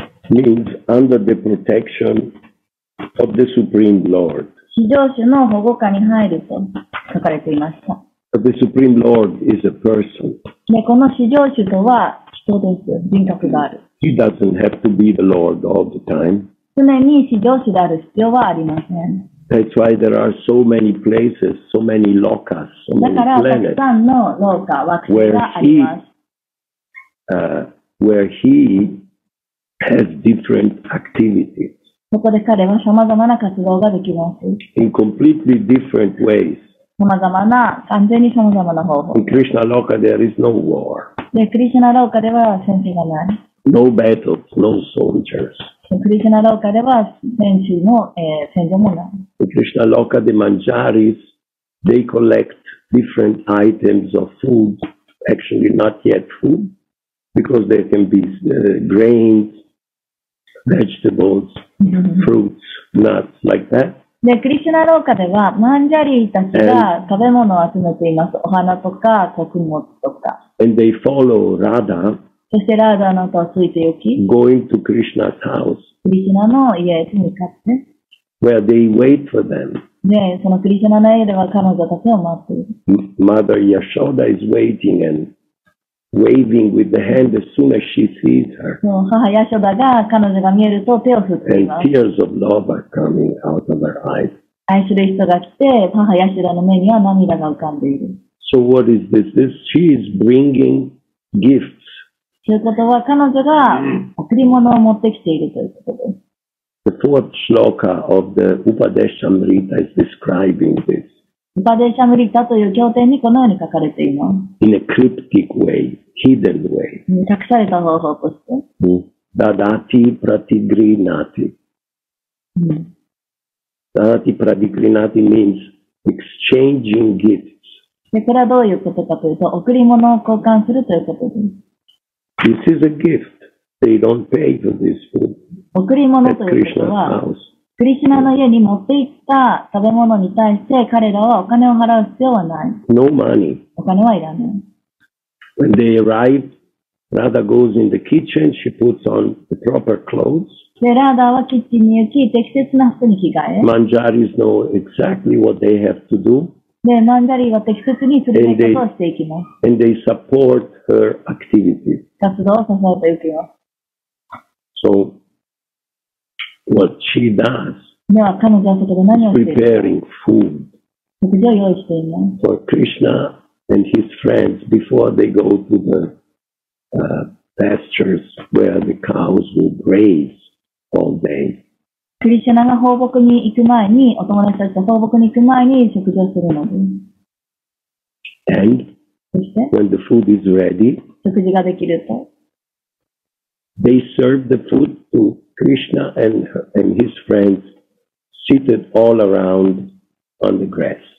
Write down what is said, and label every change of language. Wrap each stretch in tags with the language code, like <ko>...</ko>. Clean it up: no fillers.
<en>means under the protection of the Supreme Lord.</en> <ja>至上主の保護下に入ると書かれていました。</ja> <en>The Supreme Lord is a person.</en> <ja>ね、この至上主とは人です。人格がある。</ja> <en>He doesn't have to be the Lord all the time.</en> <ja>常に至上主である必要はありません。</ja> <en>That's why there are so many places, so many lokas, so many planets.</en> <ja>だからたくさんのローカ、惑星があります。</ja> <en>Where he has different activities.</en> <ja>そこで彼はさまざまな活動ができます。</ja> <en>In completely different ways.</en> <ja>様々な、完全に様々な方法。</ja> <en>In Krishna Loka, there is no war.</en> <ja>で、クリシュナローカでは戦士がない。</ja> <en>No battles, no soldiers.</en> <ja>クリシュナローカでは戦士の、戦場もない。</ja> <en>In Krishna Loka, the manjaris, they collect different items of food, actually not yet food, because there can be grains, vegetables, fruits, nuts, like that.</en> <ja>で、クリシュナ廊下ではマンジャリーたちが食べ物を集めています。お花とか穀物とか。</ja> <en>And they follow Radha,</en> <ja>そしてラーダの音をついてゆき、</ja> <en>going to Krishna's house,</en> <ja>クリシュナの家へと向かって、</ja> <en>where they wait for them.</en> <ja>で、そのクリシュナの家では彼女たちを待っている。</ja> <en>Mother Yashoda is waiting and waving with the hand as soon as she sees her.</en> <ja>そう、母ヤショダが彼女が見えると手を振っています。</ja> <en>And tears of love are coming out of her eyes.</en> <ja>愛する人が来て、母ヤショダの目には涙が浮かんでいる。</ja> <en>So what is this? This she is bringing gifts.</en> <ja>ということは彼女が贈り物を持ってきているということです。</ja> <en>The fourth shloka of the Upadeshamrita is describing this.</en> <ja>Upadeshamrita という経典にこのように書かれています。</ja> <en>In a cryptic way, hidden way.</en> <ja>隠された方法として。</ja> <sa>Dadati pratigrinati. Dadati pratigrinati</sa> <en>means exchanging gifts.</en> <ja>で、これはどういうことかというと、贈り物を交換するということです。</ja> <en>This is a gift. They don't pay for this food.</en> <ja>贈り物ということは、クリシュナの家に持って行った食べ物に対して彼らはお金を払う必要はない。</ja> <en>No money.</en> <ja>お金はいらない。</ja> <en>When they arrive, Radha goes in the kitchen, she puts on the proper clothes.</en> <ja>で、ラーダはキッチンに行き、適切な服に着替え。</ja> <en>Manjaris know exactly what they have to do.</en> <ja>で、マンジャリーは適切にするべきことをしていきます。</ja> <en>And they support her activities.</en> <ja>活動を支えていきます。</ja> <en>So, what she does,</en> <ja>では彼女はそこで何をしているの？食事を用意しています。</ja> <en>For Krishna and his friends before they go to the pastures where the cows will graze all day.</en> <ja>クリシュナが放牧に行く前に、お友達たちが放牧に行く前に食事をするのです。</ja> <en>And</en> <ja>そして</ja> <en>when the food is ready,</en> <ja>食事ができると。</ja> <en>They serve the food to Krishna and, her, and his friends seated all around on the grass.</en>